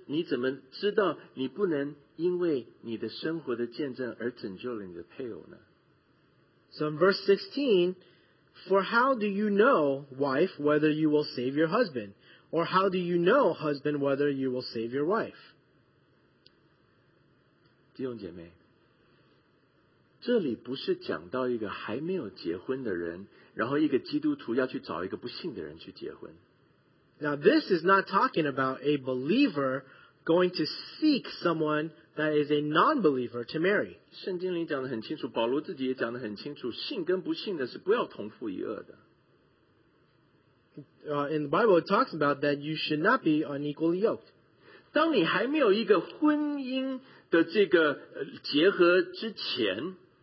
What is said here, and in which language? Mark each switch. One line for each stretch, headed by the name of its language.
Chinese: 第十六节，神甚至说：“你看，你这个做妻子的、做丈夫的，你怎么知道你不能？” 因为你的生活的见证而拯救了你的配偶呢?
English: So in verse 16, for how do you know, wife, whether you will save your husband? Or how do you know, husband, whether you will save your wife?
Chinese: 弟兄姐妹，这里不是讲到一个还没有结婚的人，然后一个基督徒要去找一个不信的人去结婚。
English: Now this is not talking about a believer going to seek someone that is a non-believer to marry.
Chinese: 圣经里讲得很清楚，保罗自己也讲得很清楚，信跟不信的是不要同父一轭的。
English: In the Bible, it talks about that you should not be unequally yoked.
Chinese: 当你还没有一个婚姻的这个结合之前,